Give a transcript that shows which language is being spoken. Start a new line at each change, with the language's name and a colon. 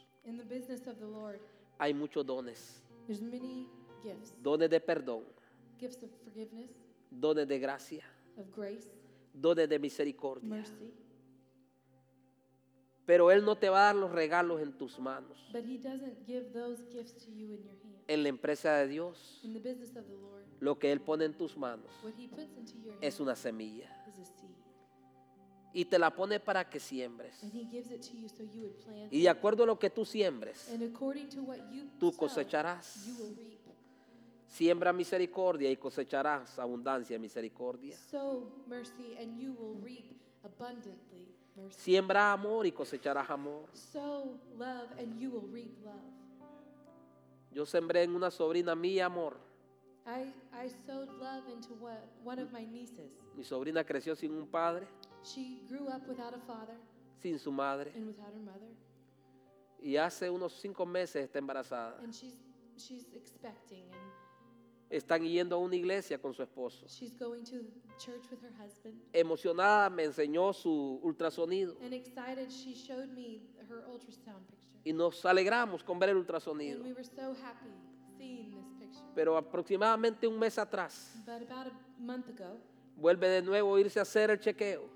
English: in the business of the Lord,
Spanish: hay muchos dones.
English: There's many gifts.
Spanish: Dones de perdón.
English: Gifts of forgiveness.
Spanish: Dones de gracia.
English: Of grace.
Spanish: Dones de misericordia.
English: Mercy.
Spanish: Pero Él no te va a dar los regalos en tus manos.
English: But he doesn't give those gifts to you in your hands.
Spanish: En la empresa de Dios,
English: in the business of the Lord,
Spanish: lo que Él pone en tus manos,
English: what he puts into your hands,
Spanish: es una semilla.
English: Is a seed.
Spanish: Y te la pone para que siembres.
English: And he gives it to you so you would plant.
Spanish: Y de acuerdo a lo que tú siembres,
English: and according to what you
Spanish: tú cosecharás.
English: You will reap.
Spanish: Siembra misericordia y cosecharás abundancia de misericordia.
English: Sow mercy and you will reap abundantly mercy.
Spanish: Siembra amor y cosecharás amor.
English: Sow love and you will reap love.
Spanish: Yo sembré en una sobrina mía amor.
English: I sowed love into one of my nieces.
Spanish: Mi sobrina creció sin un padre.
English: She grew up without a father.
Spanish: Sin su madre.
English: And without her mother.
Spanish: Y hace unos 5 meses está embarazada.
English: And she's expecting. And
Spanish: están yendo a una iglesia con su esposo.
English: She's going to church with her husband.
Spanish: Emocionada me enseñó su ultrasonido.
English: And excited she showed me her ultrasound picture.
Spanish: Y nos alegramos con ver el ultrasonido.
English: And we were so happy seeing this picture.
Spanish: Pero aproximadamente un mes atrás.
English: But about a month ago.
Spanish: Vuelve de nuevo a irse a hacer el chequeo.